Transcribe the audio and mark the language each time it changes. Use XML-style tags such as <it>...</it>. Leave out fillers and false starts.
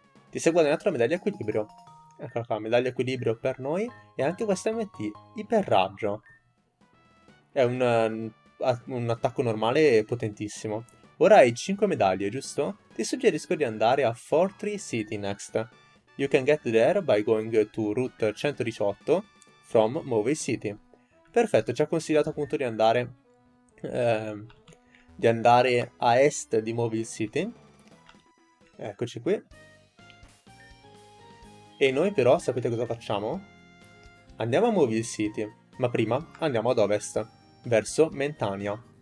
<it>Ti sei guadagnato la medaglia equilibrio. Eccola qua, medaglia equilibrio per noi. E anche questa MT, iperraggio. È un attacco normale potentissimo. Ora hai 5 medaglie, giusto? Ti suggerisco di andare a Fortree City next.</it> <en>You can get there by going to Route 118 from Movie City.</en> <it>Perfetto, ci ha consigliato appunto di andare a est di Movie City. Eccoci qui. E noi però, sapete cosa facciamo? Andiamo a Movie City, ma prima andiamo ad ovest, verso Mentania.</it>